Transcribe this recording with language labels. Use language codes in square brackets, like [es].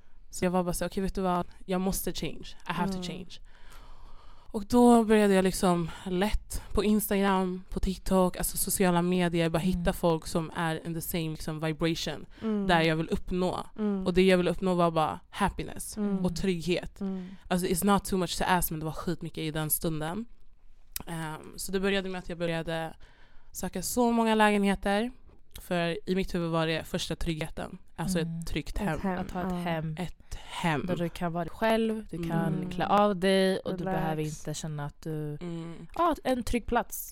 [sv] Så jag var bara så, okej, vet du vad, jag måste change, [en] I have to change. [sv] Och då började jag liksom lätt på Instagram, på TikTok, alltså sociala medier, bara hitta folk som är [en] in the same [sv] liksom vibration där jag vill uppnå. Och det jag vill uppnå var bara happiness och trygghet. Alltså [en] it's not too much to ask, [sv] men det var skitmycket i den stunden. Så det började med att jag började söka så många lägenheter, för i mitt huvud var det första tryggheten, alltså ett tryggt hem. Ett hem. Där du kan vara dig själv, du kan klä av dig och relax. Du behöver inte känna att du en trygg plats.